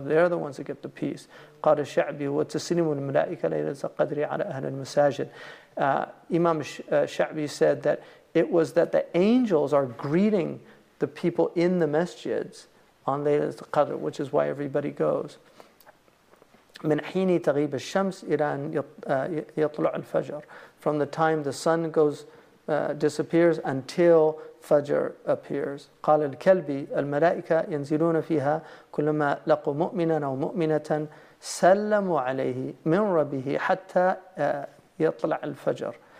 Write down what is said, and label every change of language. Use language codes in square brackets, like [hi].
[en] They're the ones that get the peace. [ar] قَالَ الشَّعْبِي وَتَسْلِمُ الْمَلَائِكَ لَيْلَةَ قَدْرِ عَلَى أَهْلِ الْمَسَاجِدِ. [en] Imam Sha'bi said that it was that the angels are greeting the people in the masjids on Laylat al-Qadr, which is why everybody goes. [ar] من حين تغيب الشمس إلى أن يطلع الفجر. [en] From the time the sun goes disappears until Fajr appears. [ar] قال الكلبي الملائكة ينزلون فيها كلما لقوا مؤمنا أو مؤمنة سلموا عليه من ربه حتى يطلع الفجر.